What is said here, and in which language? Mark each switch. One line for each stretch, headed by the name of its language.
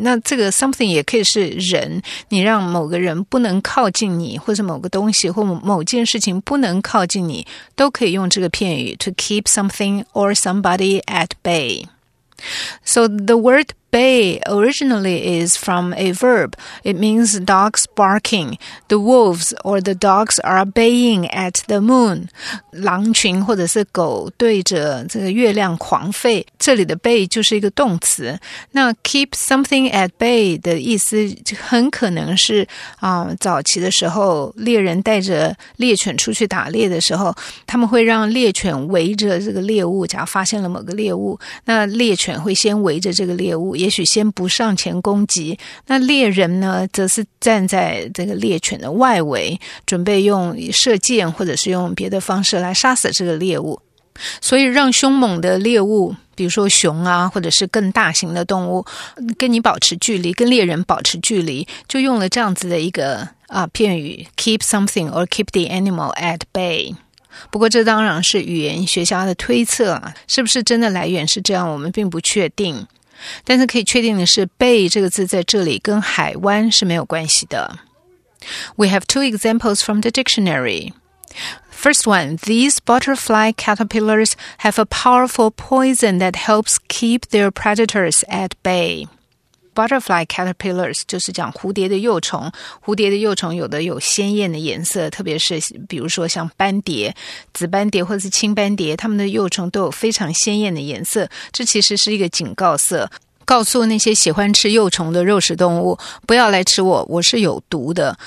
Chinese: 那这个 something 也可以是人，你让某个人不能靠近你，或者某个东西或某件事情不能靠近你，都可以用这个片语 to keep something or somebody at bay。
English: So the word bay originally is from a verb. It means dogs barking. The wolves or the dogs are baying at the moon.
Chinese: 狼群或者是狗对着这个月亮狂吠。这里的 bay 就是一个动词。那 keep something at bay 的意思很可能是早期的时候猎人带着猎犬出去打猎的时候，他们会让猎犬围着这个猎物，假如发现了某个猎物，那猎犬会先围着这个猎物，也许先不上前攻击，那猎人呢，则是站在这个猎犬的外围，准备用射箭或者是用别的方式来杀死这个猎物。所以让凶猛的猎物，比如说熊啊，或者是更大型的动物，跟你保持距离，跟猎人保持距离，就用了这样子的一个片语 keep something or keep the animal at bay。不过这当然是语言学家的推测啊，是不是真的来源是这样，我们并不确定。但是可以确定的是 bay 这个字在这里跟海湾是没有关系的。
English: We have two examples from the dictionary. First one, these butterfly caterpillars have a powerful poison that helps keep their predators at bay.
Chinese: Butterfly caterpillars 就是讲蝴蝶的幼虫，蝴蝶的幼虫有的有鲜艳的颜色，特别是比如说像斑蝶、紫斑蝶或是青斑蝶，它们的幼虫都有非常鲜艳的颜色，这其实是一个警告色，告诉那些喜欢吃幼虫的肉食动物，不要来吃我，我是有毒的。